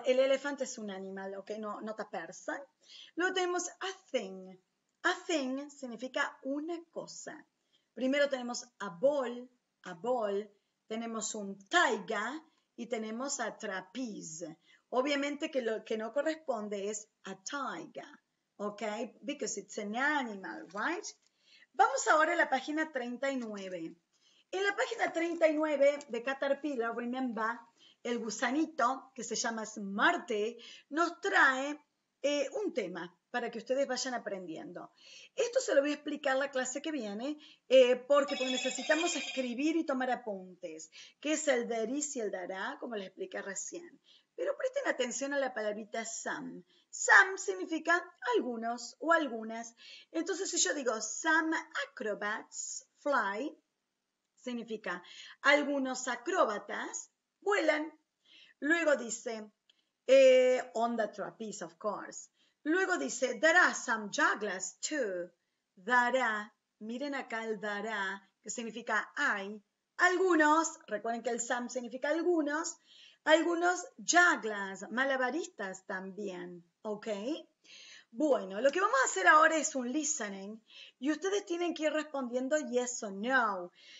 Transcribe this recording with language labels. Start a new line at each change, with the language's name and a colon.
Spanish: El elefante es un animal, ¿ok?
English: No, not a person.
Spanish: Luego tenemos a thing. A thing significa una cosa. Primero tenemos a ball, tenemos un taiga y tenemos a trapeze. Obviamente que lo que no corresponde es a taiga, ¿ok?
English: Because it's an animal, right?
Spanish: Vamos ahora a la página 39. En la página 39 de Caterpillar, remember, el gusanito, que se llama Smarty, nos trae un tema para que ustedes vayan aprendiendo. Esto se lo voy a explicar la clase que viene, porque necesitamos escribir y tomar apuntes, que es el
English: there is
Spanish: y el dará, como les expliqué recién. Pero presten atención a la palabrita some. Some significa algunos o algunas. Entonces, si yo digo
English: some acrobats fly,
Spanish: significa algunos acróbatas vuelan.
English: Luego dice, on the trapeze, of course. Luego dice, there are some jugglers too.
Spanish: Dará, miren acá el dará, que significa hay algunos. Recuerden que el some significa algunos. Algunos jugglers, malabaristas también, ¿ok? Bueno, lo que vamos a hacer ahora es un listening y ustedes tienen que ir respondiendo yes o no.